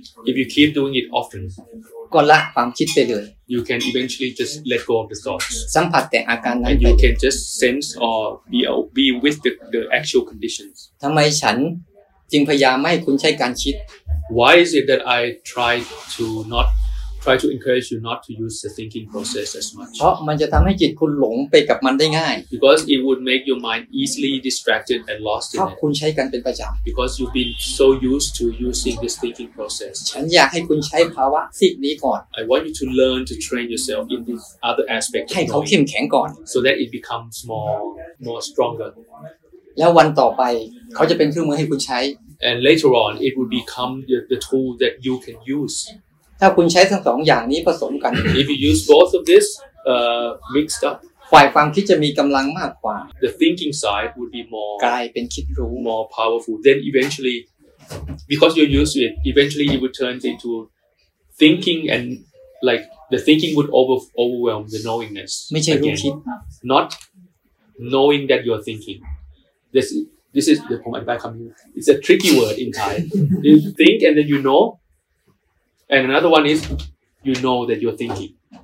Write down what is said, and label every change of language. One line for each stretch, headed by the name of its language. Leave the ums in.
English: if you keep doing it often
Thai: ก็ละความคิดไปเลย
English: you can eventually just let go of the thoughts
Thai: สัมผัสแต่อาการนั้นไป
English: and you can just sense or be be with the the actual conditions
Thai: ทำไมฉันจึงพยายามไม่คุณใช้การคิด
English: why is it that I try to not try to encourage you not to use the thinking process as much
Thai: เพราะ มันจะทำให้จิตคุณหลงไปกับมันได้ง่าย
English: because it would make your mind easily distracted and lost in it
Thai: เพรา ะคุณใช้กันเป็นปร
English: ะจำ because you've been so used to using this thinking process
Thai: ฉันอยากให้คุณใช้ภาวะสิบนี้ก่อน
English: I want you to learn to train yourself in this other aspect
Thai: ให้เขาเข้มแข็งก่อน
English: so that it becomes more more stronger
Thai: แล้ววันต่อไปเขาจะเป็นเครื่องมือให้คุณใช้
English: and later on it would become the, the tool that you can use
Thai: ถ้าคุณใช้ทั้งสองอย่างนี้ผสมกัน
English: if you use both of this uh mixed up
Thai: ฝ่าย ความคิดจะมีกำลังมากกว่า
English: the thinking side would be more
Thai: กลายเป็นคิดรู้
English: more powerful then eventually because you use it eventually it would turn into thinking and like the thinking would over overwhelm the knowingness
Thai: ไม่ใช่รู้คิด
English: not knowing that you're thinking this this is the
Thai: ผมอธิบายคำนี้
English: it's a tricky word in Thai you think and then you know And another one is you know that you're thinking.